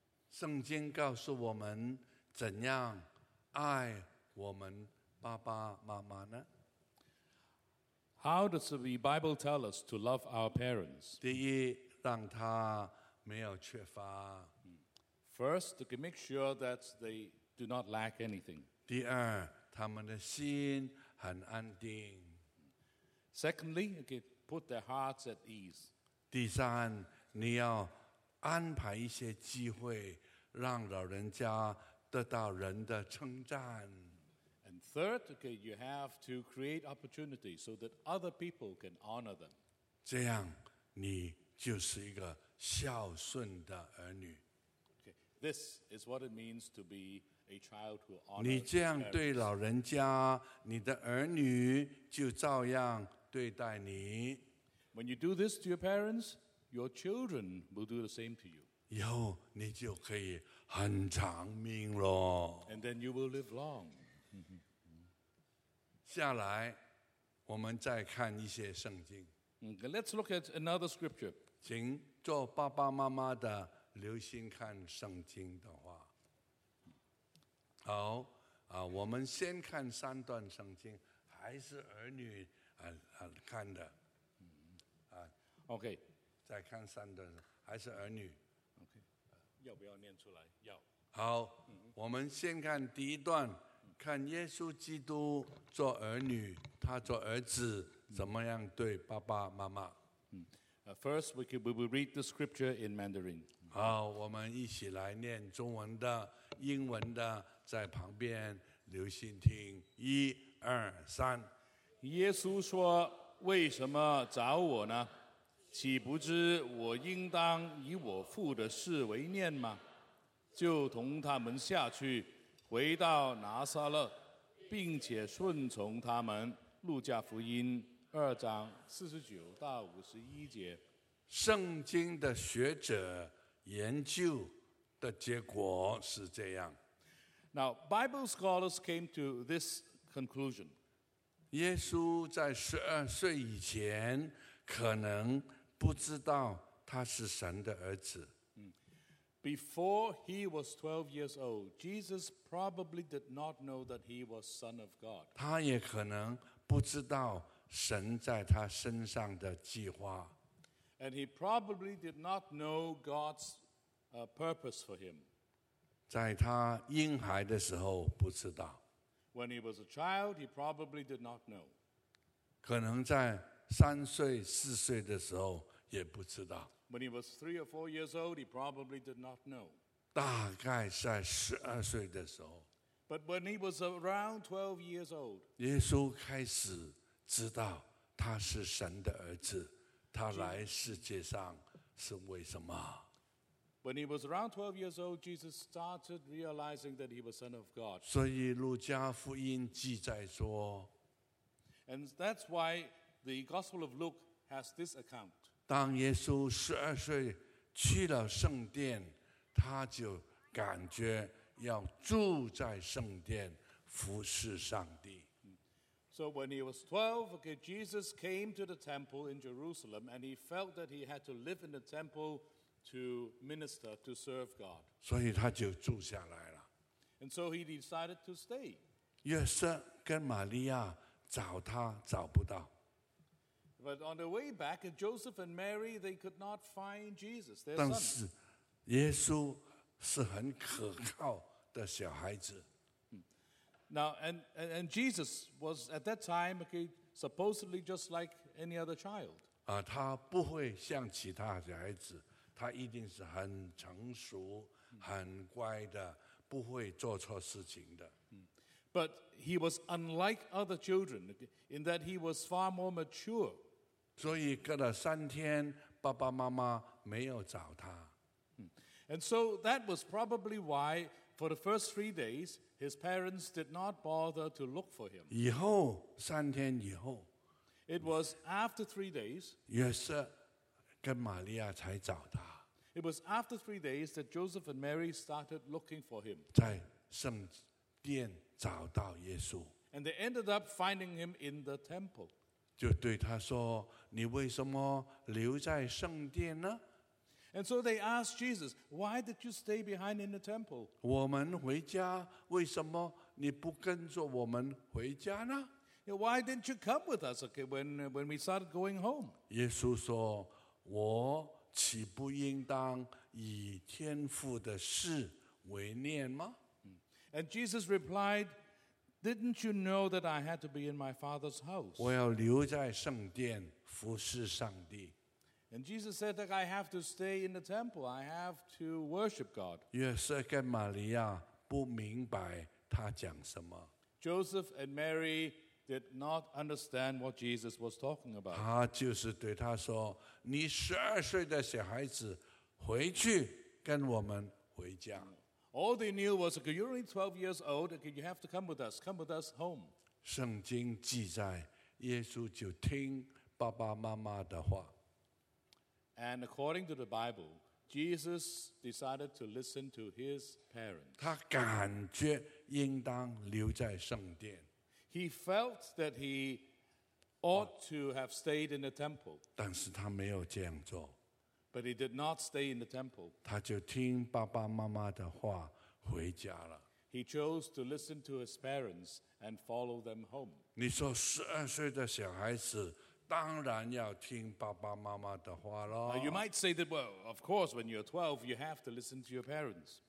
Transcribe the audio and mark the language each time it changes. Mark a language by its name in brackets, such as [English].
[Chinese] 圣经告诉我们怎样爱我们爸爸妈妈呢? [English] How does the Bible tell us to love our parents? [Chinese] 第一, 让他没有缺乏。 [English] First, to make sure that they do not lack anything. [Chinese] 第二，他们的心很安定。 [English] Secondly, okay, put their hearts at ease. [Chinese] 第三，你要安排一些机会，让老人家得到人的称赞。 [English] And third, okay, you have to create opportunities so that other people can honor them. [Chinese] 这样，你就是一个孝顺的儿女。 [English] Okay, this is what it means to be. A child who honors [Chinese] 你这样对老人家，你的儿女就照样对待你。 [English] When you do this to your parents, your children will do the same to you. [Chinese] 以后你就可以很长命喽。 [English] And then you will live long. [Chinese] 下来，我们再看一些圣经。 [English] Okay, let's look at another scripture. [Chinese] 请做爸爸妈妈的留心看圣经的话。好，我们先看三段圣经，还是儿女看的。 OK，再看三段，还是儿女。 OK， 要不要念出来？要。好，我们先看第一段，看耶稣基督做儿女，他做儿子怎么样对爸爸妈妈。 [English] First, we will read the scripture in Mandarin. [Chinese] 好，我们一起来念中文的、英文的。在旁边留心听，一、二、三。耶稣说：“为什么找我呢？岂不知我应当以我父的事为念吗？” 就同他们下去，回到拿撒勒，并且顺从他们。路加福音二章四十九到五十一节。圣经的学者研究的结果是这样。 [English] Now, Bible scholars came to this conclusion. [Chinese] 耶稣在十二岁以前可能不知道他是神的儿子。 [English] Before he was 12 years old, Jesus probably did not know that he was son of God. [Chinese] 他也可能不知道神在他身上的计划。 [English] And he probably did not know God's purpose for him. [Chinese] 在他婴孩的时候不知道。 [English] When he was a child, he probably did not know. [Chinese] 可能在三岁、四岁的时候也不知道。 [English] When he was three or four years old, he probably did not know. [Chinese] 大概在十二岁的时候。 [English] But when he was around 12 years old, [Chinese] 耶稣开始知道他是神的儿子，他来世界上是为什么？ [English] When he was around 12 years old, Jesus started realizing that he was Son of God. [Chinese] 所以路加福音记载说， [English] And that's why the Gospel of Luke has this account. [Chinese] 当耶稣十二岁去了圣殿，他就感觉要住在圣殿服侍上帝。 [English] So when he was 12, okay, Jesus came to the temple in Jerusalem and he felt that he had to live in the temple to minister, to serve God. [Chinese] 所以他就住下来了。 [English] And so he decided to stay. [Chinese] 约瑟跟玛利亚找他找不到。 [English] But on the way back, Joseph and Mary, they could not find Jesus, their [Chinese] 但是耶稣是很可靠的小孩子。 [English] Now, and Jesus was at that time, okay, supposedly just like any other child. [Chinese] 他不会像其他小孩子，他一定是很成熟，很乖的，不会做错事情的。 [English] But he was unlike other children, in that he was far more mature. [Chinese] 所以隔了三天，爸爸妈妈没有找他。 [English] And so that was probably why, for the first 3 days, his parents did not bother to look for him. [Chinese] 以后三天以后， [English] it was after 3 days. [Chinese] 约瑟跟玛利亚才找他。 [English] It was after 3 days that Joseph and Mary started looking for him. [Chinese] 在圣殿找到耶稣。 [English] And they ended up finding him in the temple. [Chinese] 就对他说：“你为什么留在圣殿呢？” [English] And so they asked Jesus, "Why did you stay behind in the temple?" [Chinese] 我们回家，为什么你不跟着我们回家呢？ [English] Why didn't you come with us? Okay, when we started going home. [Chinese] 耶稣说：“我岂不应当以天父的事为念吗？” [English] And Jesus replied, "Didn't you know that I had to be in my Father's house?" [Chinese] 我要留在圣殿服侍上帝。 [English] And Jesus said that I have to stay in the temple. I have to worship God. [Chinese] 约瑟跟玛利亚不明白他讲什么。 [English] Joseph and Mary did not understand what Jesus was talking about. [Chinese] 他就是对他说：“你十二岁的小孩子，回去跟我们回家。” [English] All they knew was, "You're only 12 years old. You have to come with us. Come with us home." [Chinese] 圣经记载，耶稣就听爸爸妈妈的话。 [English] And according to the Bible, Jesus decided to listen to his parents. [Chinese] 他感觉应当留在圣殿。 [English] He felt that he ought to have stayed in the temple. [Chinese] 但是他没有这样做。 [English] But he did not stay in the temple. [Chinese] 他就听爸爸妈妈的话回家了。 [English] He chose to listen to his parents and follow them home. [Chinese] 你说十二岁的小孩子当然要听爸爸妈妈的话咯。 [English] You might say that, well, of course, when you're 12, you have to listen to your parents.